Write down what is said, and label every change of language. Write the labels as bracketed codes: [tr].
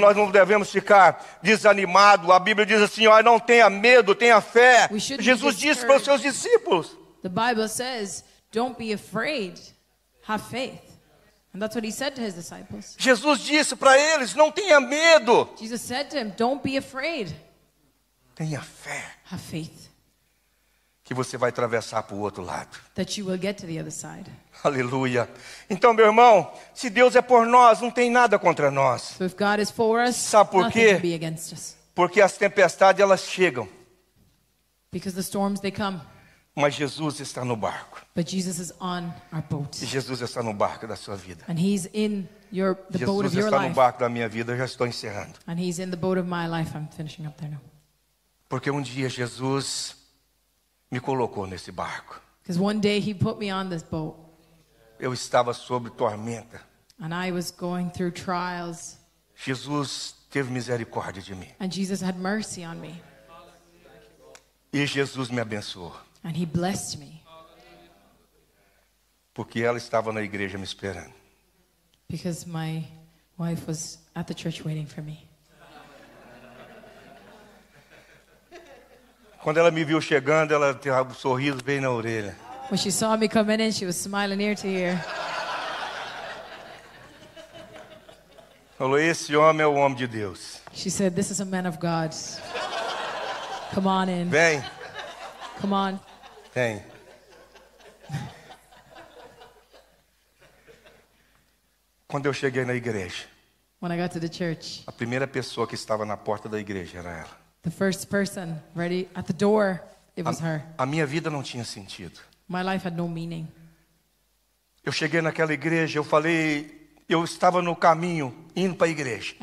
[pt] nós não devemos ficar desanimados. A Bíblia diz assim, ó, não tenha medo, tenha fé. Jesus disse para os seus discípulos. [en] The Bible says, don't be afraid, have faith. And that's what he said to his disciples. [pt] Jesus disse para eles, não tenha medo. [en] Jesus said to them, don't be afraid. [pt] Tenha fé. [en] Have faith. [pt] Que você vai atravessar para o outro lado. [en] That you will get to the other side. [pt] Aleluia. Então, meu irmão, se Deus é por nós, não tem nada contra nós. [en] So if God is for us, [pt] sabe por quê? [en] Nothing can be against us. [pt] Porque as tempestades, elas chegam. [en] Because the storms, they come. [pt] Mas Jesus está no barco. [en] But Jesus is on our boat. [pt] E Jesus está no barco da sua vida. [en] And he's in your, the [pt] Jesus [en] boat of your [pt] está [en] life. [pt] No barco da minha vida, eu já estou encerrando. [en] And he's in the boat of my life. I'm finishing up there now. [pt] Porque um dia Jesus me colocou nesse barco. [en] Because one day he put me on this boat. [pt] Eu estava sob tormenta. [en] And I was going through trials. [pt] Jesus teve misericórdia de mim. [en] And Jesus had mercy on me. [pt] E Jesus me abençoou. [en] And he blessed me. [pt] Porque ela estava na igreja me esperando. [en] Because my wife was at the church waiting for me. [pt] Quando ela me viu chegando, ela tinha um sorriso bem na orelha. [en] When she saw me coming in, she was smiling ear to ear. [pt] Falou, esse homem é o homem de Deus. [en] She said, this is a man of God. Come on in. [pt] Vem. [en] Come on. [pt] Vem. Quando eu cheguei na igreja. [en] When I got to the church. [pt] A primeira pessoa que estava na porta da igreja era ela. [en] The first person ready at the door, it was her. [pt] A minha vida não tinha sentido. [en] My life had no meaning. [pt] Eu cheguei naquela igreja, eu falei, eu estava no caminho indo para a igreja.